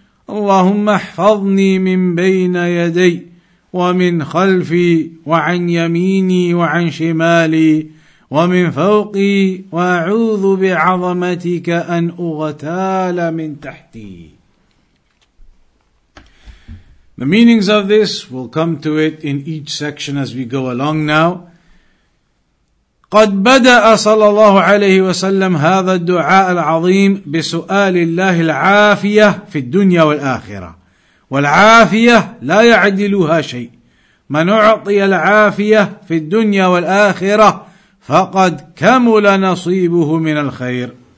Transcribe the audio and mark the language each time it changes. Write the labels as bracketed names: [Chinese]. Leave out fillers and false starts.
[Arabic] اللهم احفظني من بين يدي ومن خلفي وعن يميني وعن شمالي ومن فوقي وأعوذ بعظمتك أن أغتال من تحتي. [English] The meanings of this, we'll come to it in each section as we go along now. [Arabic] قد بدأ صلى الله عليه وسلم هذا الدعاء العظيم بسؤال الله العافية في الدنيا والآخرة. والعافية لا يعدلها شيء. من أعطي العافية في الدنيا والآخرة فَقَدْ كَمُلَ نَصِيبُهُ مِنَ الْخَيْرِ.